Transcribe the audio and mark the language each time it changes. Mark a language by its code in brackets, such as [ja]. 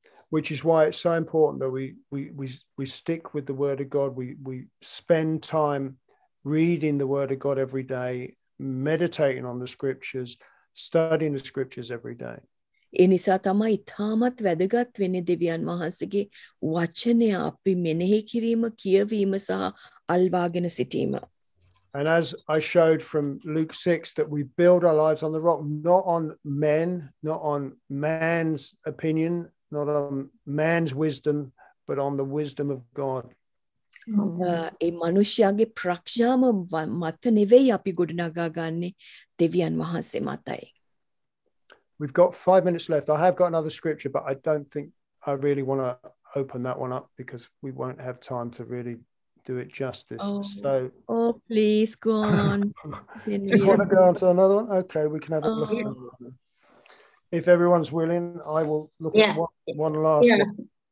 [en] Which is why it's so important that we stick with the Word of God. We spend time reading the Word of God every day, meditating on the Scriptures, studying the Scriptures every day. [si] එනිසා තමයි තාමත් වැදගත් වෙන්නේ දෙවියන් වහන්සේගේ වචනය අපි මෙනෙහි කිරීම කියවීම සහ අල්වාගෙන සිටීම. [en] And as I showed from Luke 6, that we build our lives on the rock, not on men, not on man's opinion, not on man's wisdom, but on the wisdom of God. [si] ඒ මිනිසයාගේ ප්‍රඥාව මත නෙවෙයි අපි ගොඩනගා ගන්නෙ දෙවියන් වහන්සේ මතයි. [en] We've got 5 minutes left. I have got another scripture, but I don't think I really want to open that one up because we won't have time to really do it justice. Oh, please go on. Do you want to go on to another one? Okay, we can have a look at another one. If everyone's willing, I will look at one last one.